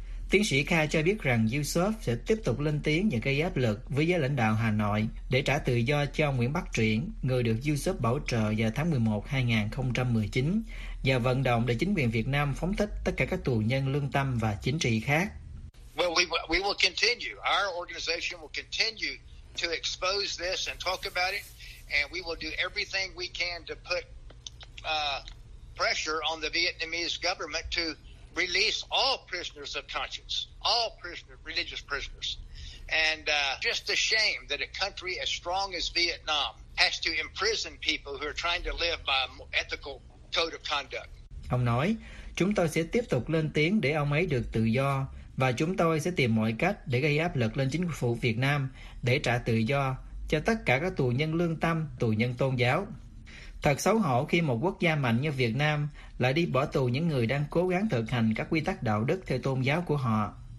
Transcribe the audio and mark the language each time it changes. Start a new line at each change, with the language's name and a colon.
Vietnamese: Tiến sĩ Kha cho biết rằng USOP sẽ tiếp tục lên tiếng và gây áp lực với giới lãnh đạo Hà Nội để trả tự do cho Nguyễn Bắc Truyện, người được USOP bảo trợ vào tháng 11/2019, và vận động để chính quyền Việt Nam phóng thích tất cả các tù nhân lương tâm và chính trị khác.
English: Well, we will continue. Our organization will continue to expose this and talk about it, and we will do everything we can to put pressure on the Vietnamese government to release all prisoners of conscience, all prisoners, religious prisoners. And just a shame that a country as strong as Vietnam has to imprison people who are trying to live by an ethical code of conduct.
Vietnamese: Ông nói, chúng tôi sẽ tiếp tục lên tiếng để ông ấy được tự do, và chúng tôi sẽ tìm mọi cách để gây áp lực lên chính phủ Việt Nam để trả tự do cho tất cả các tù nhân lương tâm, tù nhân tôn giáo. Thật xấu hổ khi một quốc gia mạnh như Việt Nam lại đi bỏ tù những người đang cố gắng thực hành các quy tắc đạo đức theo tôn giáo của họ.